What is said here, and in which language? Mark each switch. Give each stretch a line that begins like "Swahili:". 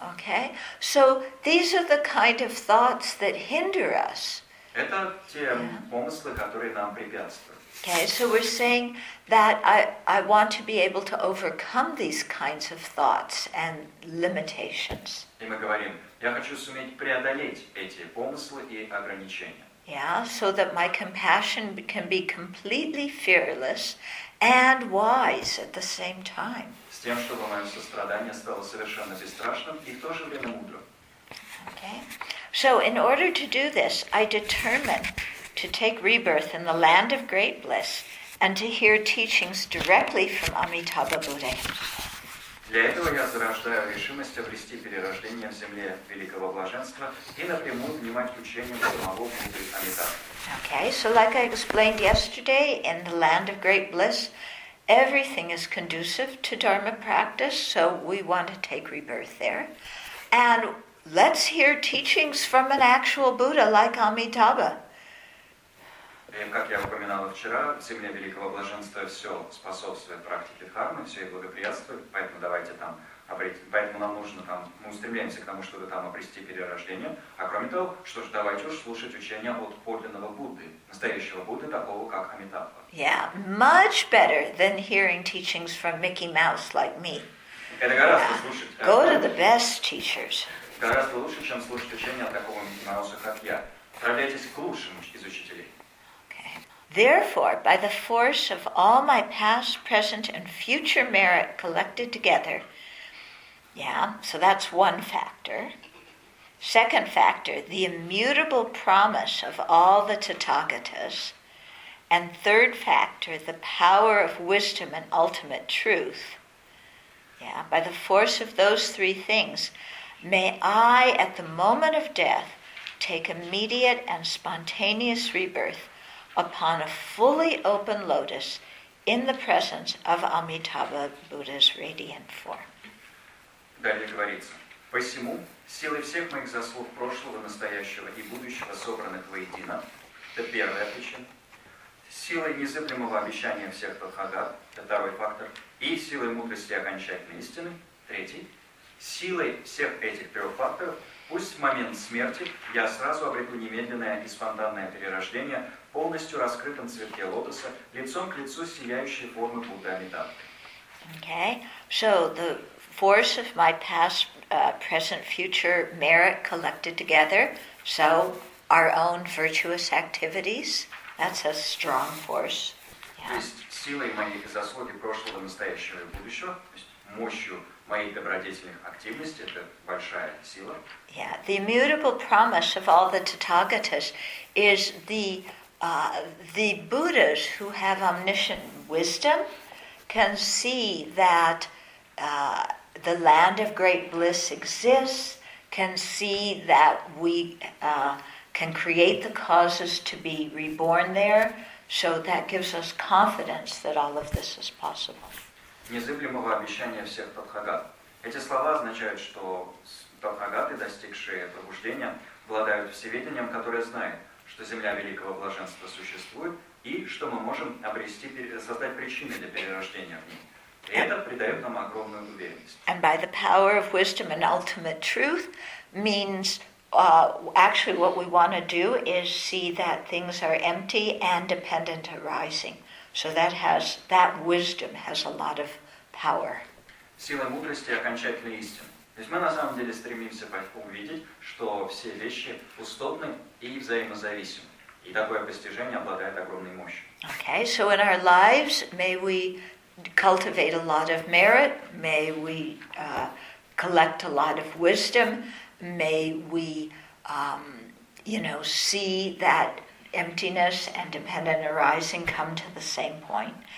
English: Okay, so these are the kind of thoughts that hinder us.
Russian: Это те помыслы, которые нам препятствуют.
English: Okay, so we're saying that I want to be able to overcome these kinds of thoughts and limitations.
Russian: И мы говорим, Я хочу суметь преодолеть эти помыслы и ограничения.
English: Yeah, so that my compassion can be completely fearless and wise at the same time.
Russian: С тем, чтобы мое сострадание стало совершенно бесстрашным и в то же время мудрым.
English: Okay. So in order to do this, I determine to take rebirth in the land of great bliss and to hear teachings directly from Amitabha Buddha.
Russian: Для этого я зарождаю решимость обрести перерождение в земле великого блаженства и напрямую внимать учению самого Будды Амитабха.
English: Okay, so like I explained yesterday, in the land of great bliss, everything is conducive to Dharma practice, so we want to take rebirth there. And let's hear teachings from an actual Buddha like Amitabha.
Russian: Как я упоминала вчера, в земле великого блаженства все способствует практике дхармы, все и благоприятствует, поэтому давайте там обрети, поэтому нам нужно там, мы устремляемся к тому, чтобы там обрести перерождение, а кроме того, что ж, давайте уж слушать учения от подлинного Будды, настоящего Будды, такого как Амитабха.
English: Yeah, much better than hearing teachings from Mickey Mouse like me.
Russian: Это гораздо слушать.
English: Go to the best teachers.
Russian: Гораздо лучше, чем слушать учения от такого Микки Мауса, как я. Отправляйтесь к лучшим из учителей.
English: Therefore, by the force of all my past, present, and future merit collected together, yeah, so that's one factor. Second factor, the immutable promise of all the Tathagatas. And third factor, the power of wisdom and ultimate truth. Yeah, by the force of those three things, may I, at the moment of death, take immediate and spontaneous rebirth upon a fully open lotus in the presence of Amitabha Buddha's radiant form.
Russian: Далее говорится. Посему силы всех моих заслуг прошлого, настоящего и будущего собраны воедино. Это первая причина. Силы незыблемого обещания всех Тхагат. Это второй фактор. И силы мудрости окончательной истины. Третий. Силой всех этих трех факторов пусть в момент смерти я сразу обрету немедленное и спонтанное перерождение полностью раскрытом цветке лотоса, лицом к лицу сияющей формы Будды Амитабхи.
English: Okay, so the force of my past, present, future merit collected together, so our own virtuous activities, that's a strong force. Yeah.
Russian: То есть силой моих заслуг прошлого, настоящего и будущего, то есть мощью моих добродетельных активностей, это большая сила.
English: Yeah, the immutable promise of all the Tathagatas is the Buddhas who have omniscient wisdom can see that the land of great bliss exists, can see that we can create the causes to be reborn there, so that gives us confidence that all of this is possible.
Russian: Незыблемого обещания всех Тхагат. Эти слова означают, что Тхагаты, достигшие пробуждения, обладают всеведением, которое знает, что земля великого блаженства существует и что мы можем обрести, создать причины для перерождения в ней. И это придает нам огромную уверенность.
English: And by the power of wisdom and ultimate truth means actually what we want to do is see that things are empty and dependent arising. So that wisdom has a lot of power.
Russian: Сила мудрости и окончательная истина. То есть мы на самом деле стремимся увидеть, что все вещи пустотны и взаимозависимы. И такое постижение обладает огромной мощью.
English: Okay, so in our lives, may we cultivate a lot of merit, may we collect a lot of wisdom, may we, you know, see that emptiness and dependent arising come to the same point.